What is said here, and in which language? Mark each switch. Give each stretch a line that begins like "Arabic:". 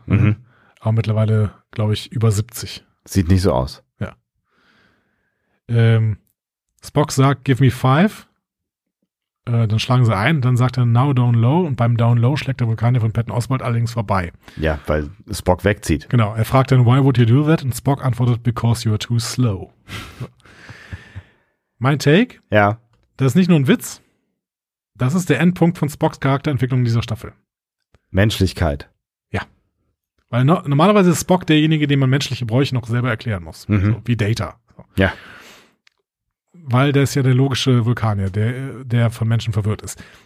German: Mhm. Aber mittlerweile, glaube ich, über 70. Sieht nicht so aus. Ja. Spock sagt,
English: give me 5.
German: Dann schlagen sie ein, dann sagt er,
English: now down low.
German: Und beim down low schlägt der Vulkanier von Patton Oswalt allerdings vorbei. Ja, weil Spock wegzieht. Genau, er fragt dann,
English: why would you do that?
German: Und Spock antwortet,
English: because you are too slow.
German: Mein Take? Ja. Das ist nicht nur ein Witz. Das ist der Endpunkt von Spocks Charakterentwicklung in dieser Staffel. Menschlichkeit. Ja. Weil normalerweise ist Spock derjenige, dem man menschliche Bräuche noch selber erklären muss. Mhm. So, wie Data. So. Ja. Weil der ist ja der logische Vulkanier, der von Menschen verwirrt ist.